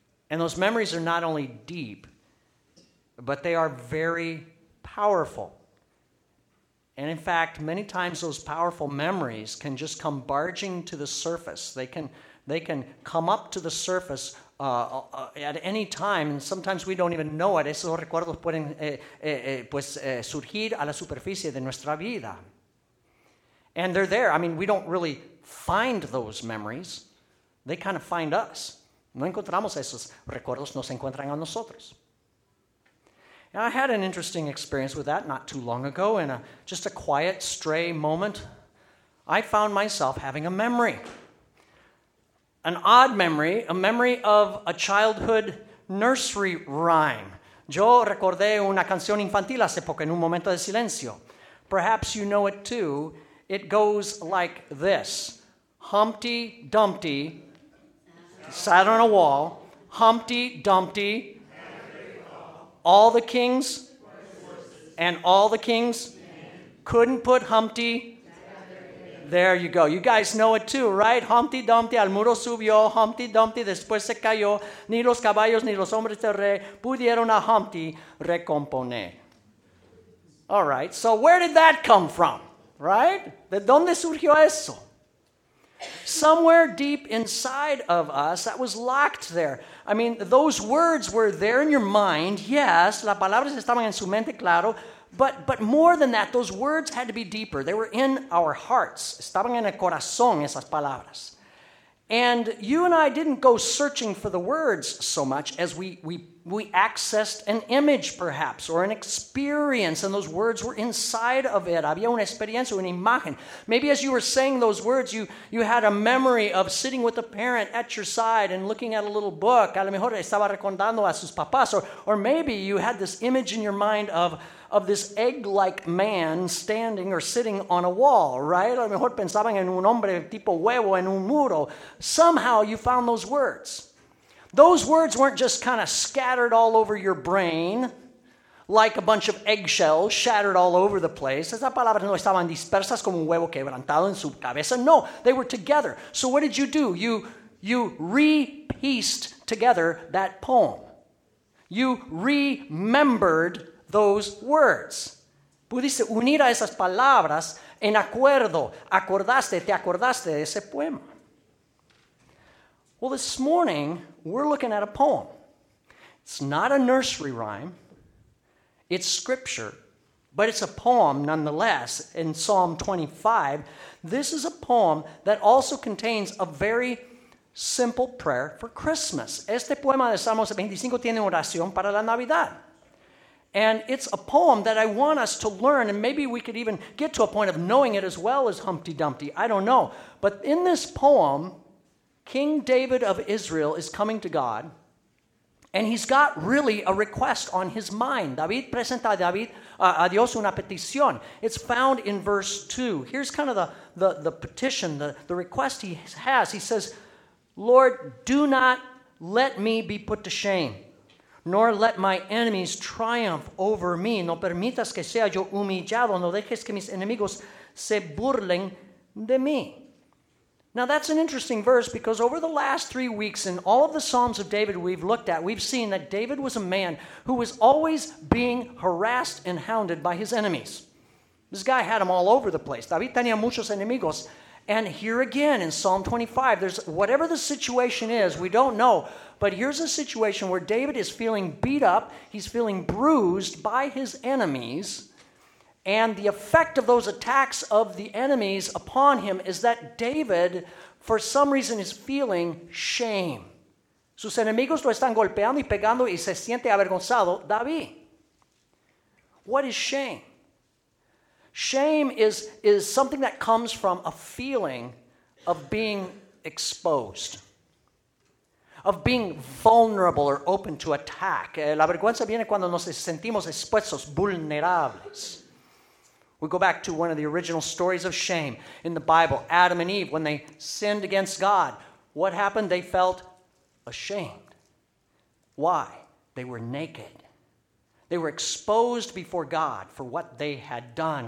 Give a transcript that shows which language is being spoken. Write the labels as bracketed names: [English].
[English] And those memories are not only deep, but they are very powerful. And in fact, many times those powerful memories can just come barging to the surface. They can come up to the surface at any time, and sometimes we don't even know it. [Spanish] Esos recuerdos pueden surgir a la superficie de nuestra vida. [English] And they're there. I mean, we don't really find those memories. They kind of find us. [Spanish] No encontramos esos recuerdos, nos encuentran a nosotros. [English] And I had an interesting experience with that not too long ago. In just a quiet, stray moment, I found myself having a memory. An odd memory, a memory of a childhood nursery rhyme. [Spanish] Yo recordé una canción infantil hace poco en un momento de silencio. [English] Perhaps you know it too. It goes like this. Humpty Dumpty sat on a wall, Humpty Dumpty, all the kings and all the kings couldn't put Humpty. There you go. You guys know it too, right? [Spanish] Humpty Dumpty al muro subió, Humpty Dumpty después se cayó, ni los caballos ni los hombres del rey pudieron a Humpty recomponer. [English] All right, so where did that come from, right? [Spanish] ¿De dónde surgió eso? [English] Somewhere deep inside of us, that was locked there. I mean, those words were there in your mind, yes. [Spanish] Las palabras estaban en su mente, claro. [English] But more than that, those words had to be deeper. They were in our hearts. [Spanish] Estaban en el corazón esas palabras. [English] And you and I didn't go searching for the words so much as we accessed an image, perhaps, or an experience, and those words were inside of it. [Spanish] Había una experiencia, una imagen. [English] Maybe as you were saying those words, you had a memory of sitting with a parent at your side and looking at a little book. [Spanish] A lo mejor estaba recordando a sus papás. [English] Or maybe you had this image in your mind of of this egg-like man standing or sitting on a wall, right? [Spanish] A lo mejor pensaban en un hombre tipo huevo en un muro. [English] Somehow you found those words. Those words weren't just kind of scattered all over your brain like a bunch of eggshells shattered all over the place. [Spanish] Esas palabras no estaban dispersas como un huevo quebrantado en su cabeza. [English] No, they were together. So what did you do? You re-pieced together that poem. You remembered those words. [Spanish] Pudiste unir a esas palabras en acuerdo. Acordaste, te acordaste de ese poema. [English] Well, this morning, we're looking at a poem. It's not a nursery rhyme. It's scripture. But it's a poem nonetheless in Psalm 25. This is a poem that also contains a very simple prayer for Christmas. [Spanish] Este poema de Salmos 25 tiene oración para la Navidad. [English] And it's a poem that I want us to learn, and maybe we could even get to a point of knowing it as well as Humpty Dumpty. I don't know. But in this poem, King David of Israel is coming to God, and he's got really a request on his mind. [Spanish] David presenta a Dios una petición. [English] It's found in verse 2. Here's kind of the petition, the request he has. He says, Lord, do not let me be put to shame, nor let my enemies triumph over me. [Spanish] No permitas que sea yo humillado. No dejes que mis enemigos se burlen de mí. [English] Now, that's an interesting verse because over the last 3 weeks in all of the Psalms of David we've looked at, we've seen that David was a man who was always being harassed and hounded by his enemies. This guy had them all over the place. David tenía muchos enemigos. And here again in Psalm 25, there's whatever the situation is, we don't know. But here's a situation where David is feeling beat up. He's feeling bruised by his enemies. And the effect of those attacks of the enemies upon him is that David, for some reason, is feeling shame. [Spanish] Sus enemigos lo están golpeando y pegando y se siente avergonzado, David. [English] What is shame? Shame is something that comes from a feeling of being exposed, of being vulnerable or open to attack. [Spanish] La vergüenza viene cuando nos sentimos expuestos, vulnerables. [English] We go back to one of the original stories of shame in the Bible, Adam and Eve, when they sinned against God. What happened? They felt ashamed. Why? They were naked. They were exposed before God for what they had done.